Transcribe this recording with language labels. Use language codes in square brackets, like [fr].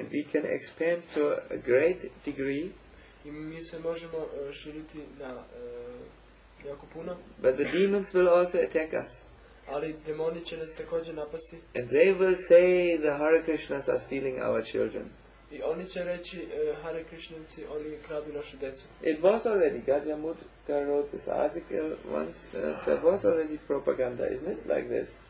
[en] And we can expand to a great degree. [sr] I mi se možemo širiti na jako puno. [en] But the demons will also attack us. [sr] Ali demoni će nas također napasti. [en] And they will say the Hare Krishnas are stealing our children. [sr] I oni će reći Hare Krishnanci, oni kradu našu decu. [en] It was already, Gajya Mudga wrote this article once, there was already propaganda, isn't it, like this?